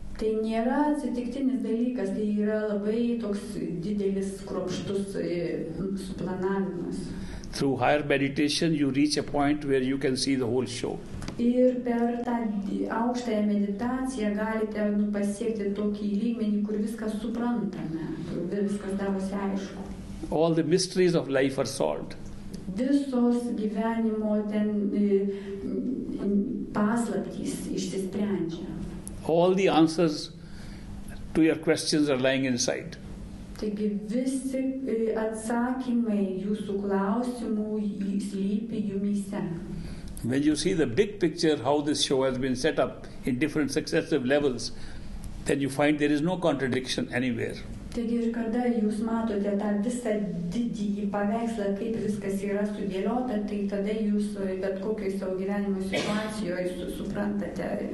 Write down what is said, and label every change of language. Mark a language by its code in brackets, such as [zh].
[lt] Tai nėra atsitiktinis dalykas, tai yra labai toks didelis kruopštus suplanavimas. [en] Through higher meditation you reach a point where you can see the whole show. [lt] Ir per tą aukštąją meditaciją galite pasiekti tokį lygmenį, kur viskas suprantame, kur viskas darosi aišku. [en] All the mysteries of life are solved. [lt] Visos gyvenimo ten paslaptys išsisprendžia. [en] All the answers to your questions are lying inside. [lt] Taigi visi atsakymai jūsų klausimų slypi jumyse. [en] When you see the big picture, how this show has been set up in different successive levels, then you find there is no contradiction anywhere. [lt] Taigi ir kada jūs matote tą visą didįjį paveikslą, kaip viskas yra sudėliota, tai tada jūs bet kokioj savo gyvenimo situacijoje suprantate.